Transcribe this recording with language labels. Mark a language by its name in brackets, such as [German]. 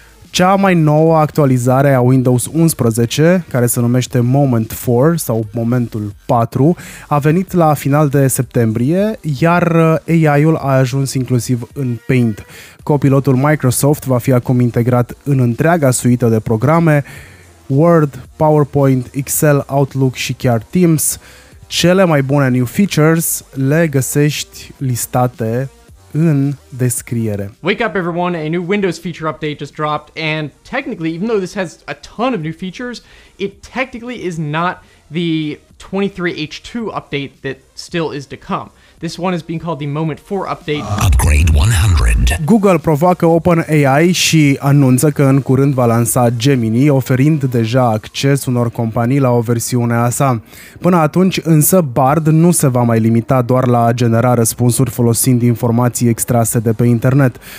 [Romanian] Cea mai nouă actualizare a Windows 11, care se numește Moment 4 sau Momentul 4, a venit la final de septembrie, iar AI-ul a ajuns inclusiv în Paint. Copilotul Microsoft va fi acum integrat în întreaga suită de programe, Word, PowerPoint, Excel, Outlook și chiar Teams. Cele mai bune [English] new features [Romanian] le găsești listate în descriere. [English] Wake up everyone, a new Windows feature update just dropped, and technically, even though this has a ton of new features, it technically is not the 23H2 update that still is to come. This one is being called the Moment 4 update. Upgrade 100. [Romanian] Google provoacă OpenAI și anunță că în curând va lansa Gemini, oferind deja acces unor companii la o versiune a sa. Până atunci, însă, Bard nu se va mai limita doar la a genera răspunsuri folosind informații extrase de pe internet.